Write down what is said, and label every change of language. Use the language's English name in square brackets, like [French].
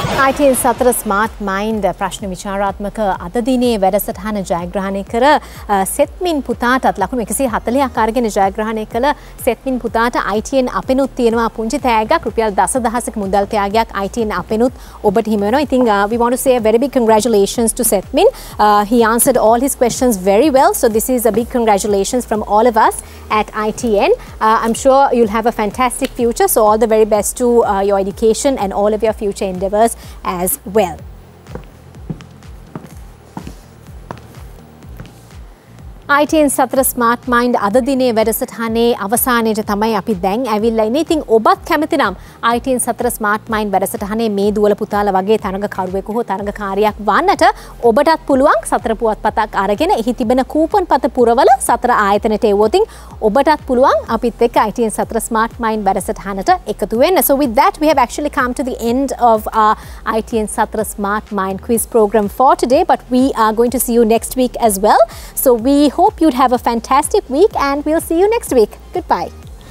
[Sinhala] ITN සතර smart mind ප්‍රශ්න විචාරාත්මක අද දිනේ වැඩසටහන ජයග්‍රහණය කර සෙත්මින් පුතාටත් ලකුණු 140ක් අරගෙන ජයග්‍රහණය කළ සෙත්මින් පුතාට ITN අපෙනුත් තියෙනවා පුංචි තෑගක් රුපියල් 10,000ක මුදල් ත්‍යාගයක් ITN අපෙනුත් ඔබට හිමි වෙනවා. [English] ඉතින් we want to say a very big congratulations to Sethmin. He answered all his questions very well, so this is a big congratulations from all of us at ITN. I'm sure you'll have a fantastic future, so all the very best to your education and all of your future endeavors as well. [Sinhala] ITN සතර smart mind අද දිනේ වැඩසටහනේ අවසානයේ තමයි අපි දැන් ඇවිල්ලා ඉන්නේ. ඉතින් ඔබත් කැමතිනම් ITN සතර ස්මාර්ට් මයින්ඩ් වැඩසටහනේ මේ දුවල පුතාලා වගේ තරඟකරුවෙකු හෝ තරඟකාරියක් වන්නට ඔබටත් පුළුවන්. සතර පුවත්පතක් අරගෙන එහි තිබෙන කූපන් පත පුරවල සතර ආයතනට එවුවොතින් ඔබටත් පුළුවන් අපිත් එක්ක ITN සතර ස්මාර්ට් මයින්ඩ් වැඩසටහනට එකතු වෙන්න. [English] So with that we have actually come to the end of our ITN සතර smart mind quiz program for today, but we are going to see you next week as well. So we hope you'd have a fantastic week and we'll see you next week. Goodbye.